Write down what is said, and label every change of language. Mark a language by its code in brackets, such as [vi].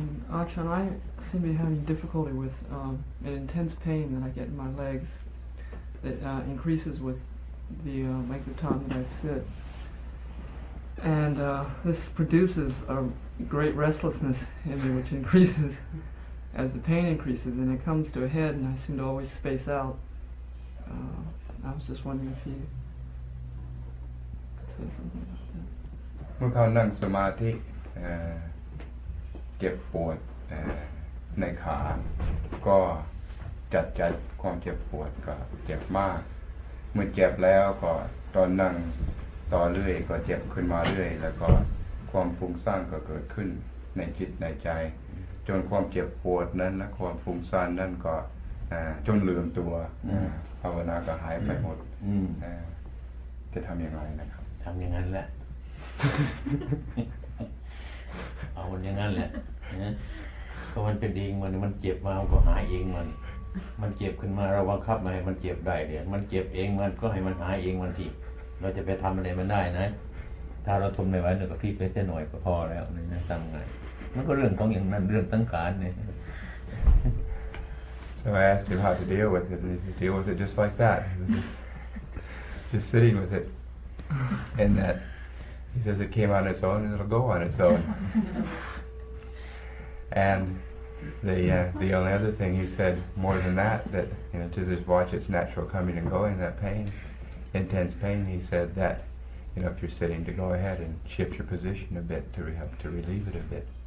[en] Ajahn, I seem to be having difficulty with an intense pain that I get in my legs that increases with the length of time that I sit, and this produces a great restlessness in me, which increases as the pain increases, and it comes to a head, and I seem to always space out. I was just wondering if you could say something about that. When you sit in meditation, get bored, in the body, [th] จัดใจความเจ็บปวดก็เจ็บมากเมื่อเจ็บแล้วก็ตอนนั่งต่อเรื่อยก็เจ็บขึ้นมาเรื่อยแล้วก็ความฟุ้งซ่านก็เกิดขึ้นในจิตในใจจนความเจ็บปวดนั้นและความฟุ้งซ่านนั้นก็จนลืมตัวภาวนาก็หายไปหมดจะทำยังไงนะครับ ทำอย่างนั้นแหละเอาอย่างนั้นแหละก็มันเป็นเองมันเจ็บมาก็หายเองมันเจ็บขึ้นมาเราบังคับมันให้มันเจ็บได้เดี๋ยวมันเจ็บเองมันก็ให้มันหายเองมันทีเราจะไปทำอะไรมันได้นะถ้าเราทนไม่ไหวเราก็พี่ไปแค่หน่อยก็พอแล้วนี่นะทำไงมันก็เรื่องของอย่างนั้นเรื่องตั้งการเนี่ย [en] So I asked him how to deal with it, and he said, deal with it just like that, just sitting with it, and that, he says, it came on its own, and it'll go on its own. And the only other thing he said, more than that, that, you know, to just watch its natural coming and going, that pain, intense pain, he said that, you know, if you're sitting, to go ahead and shift your position a bit to help to relieve it a bit.